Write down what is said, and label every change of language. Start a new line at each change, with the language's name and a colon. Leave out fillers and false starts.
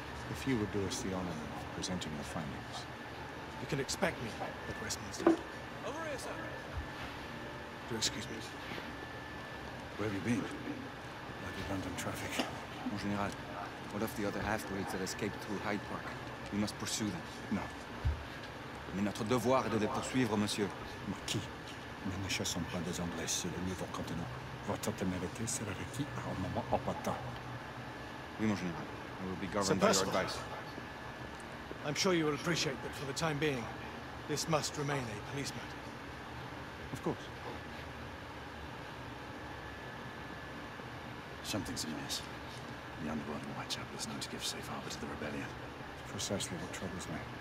English: If you would do us the honor of presenting your findings. You can expect me at Westminster. Over here, sir. Do excuse me. Where have you been? Like in London traffic. Mon général, what of the other half-breeds that escaped through Hyde Park? We must pursue them. No.
French: Mais notre devoir est de les poursuivre, monsieur. Marquis, nous ne chassons pas des Anglais sur le nouveau continent. Votre témérité sera requis à un moment opportun. Oui, mon général.
English: I will be governed by your advice. I'm sure you will appreciate that for the time being, this must remain a police matter. Of course. Something's amiss. The underworld in Whitechapel is known to give safe harbor to the rebellion. Precisely what troubles me.